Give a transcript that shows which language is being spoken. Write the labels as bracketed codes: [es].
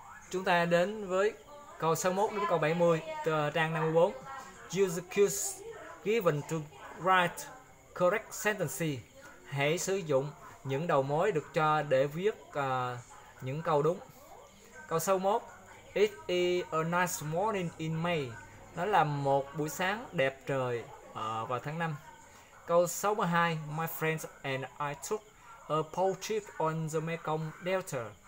[vi] Chúng ta đến với câu 61 đến câu 70, trang 54. [en] Use the cues given to write correct sentences. [vi] Hãy sử dụng những đầu mối được cho để viết những câu đúng. Câu 61. [en] It is a nice morning in May. [vi] Nó là một buổi sáng đẹp trời vào tháng 5. Câu 62. [en] My friends and I took a boat trip on the Mekong Delta.